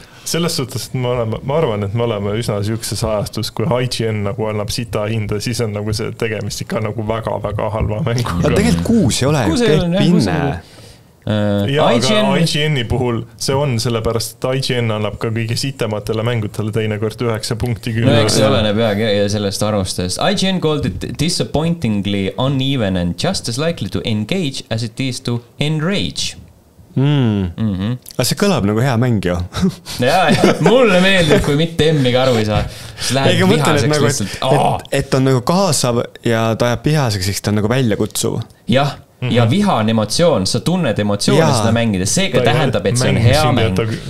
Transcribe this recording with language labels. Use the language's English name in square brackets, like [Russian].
[Estonian] Selles suhtes, et ma arvan, et me oleme üsna siukses ajastus, kui IGN nagu annab sita hinda, siis on nagu see tegemist ikka nagu väga, väga halva mängu. Ja tegelikult 6 ei ole. 6 ei ole, jah, 6 ei ole. Ja IGN... aga IGN-i puhul see on sellepärast, et IGN annab ka kõige sitematele mängutele teine kord 9 punkti küll. No eks see oleneb ja sellest arvustest. [English] IGN called it disappointingly uneven and just as likely to engage as it is to enrage. [Estonian] Aga see kõlab nagu hea mäng jo. Jaa, mulle meeldib, kui mitte emmiga aru ei saa. Ega mõtlen, et on nagu kaasav ja ta ajab vihaseks, siis ta on nagu välja kutsuv. Jah. Ja viha on emotsioon, sa tunned emotsioone seda mängida, seega tähendab, et see on hea mäng.